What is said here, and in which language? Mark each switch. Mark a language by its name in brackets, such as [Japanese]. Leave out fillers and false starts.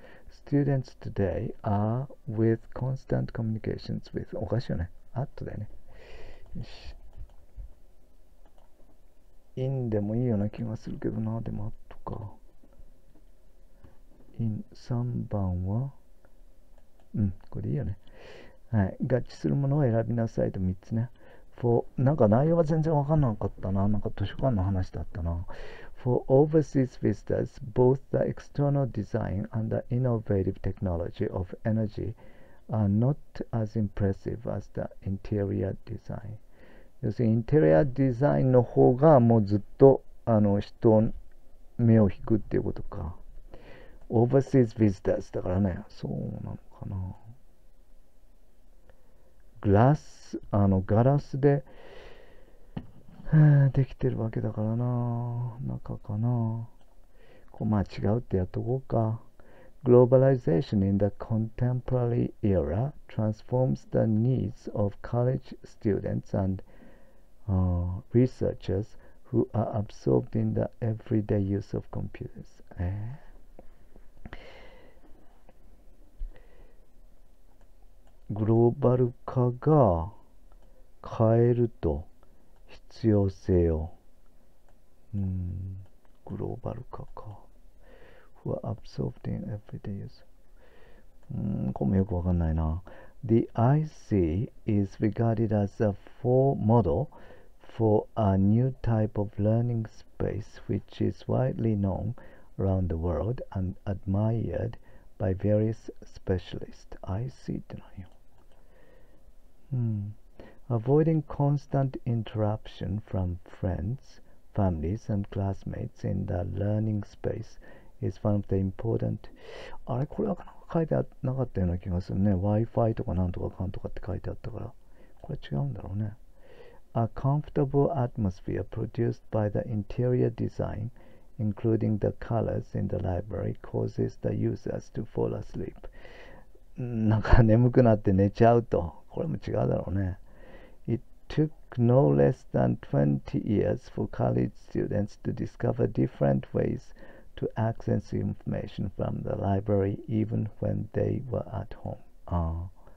[English] Students today are with constant communications with [Japanese] おかしいよね。あとだよね。よし。 in でもいいような気がするけどな。でもあとか。 in 3番は。これいいよね。はい。合致するものを選びなさいと3つね。for なんか内容は全然わかんなかったな。なんか図書館の話だったな。 [English] For overseas visitors, both the external design and the innovative technology of energy are not as impressive as the interior design. [Japanese] 要するに、インテリアデザインの方がもうずっと人目を引くっていうことか。 [English] Overseas visitors [Japanese] だからね、そうなのかな。ガラスで、できてるわけだからな。中かな。こう、まあ違うってやっとこうか。 [English] Globalization in the contemporary era transforms the needs of college students and researchers who are absorbed in the everyday use of computers. [Japanese] グローバル化が変えると。必要性を。グローバル化か。 [English] Who are absorbed in everyday use? [Japanese] これもよくわかんないな。 [English] The IC is regarded as a foremodel for a new type of learning space which is widely known around the world and admired by various specialists. [Japanese] IC ってなんよ。 [English] Avoiding constant interruption from friends, families, and classmates in the learning space is one of the important. [Japanese] あれ、これは書いてなかったような気がするね。Wi-Fi とかなんとかかんとかって書いてあったから。これ違うんだろうね。 [English] A comfortable atmosphere produced by the interior design, including the colors in the library, causes the users to fall asleep. [Japanese] なんか眠くなって寝ちゃうと。これも違うだろうね。 [English] Took no less than 20 years for college students to discover different ways to access information from the library, even when they were at home.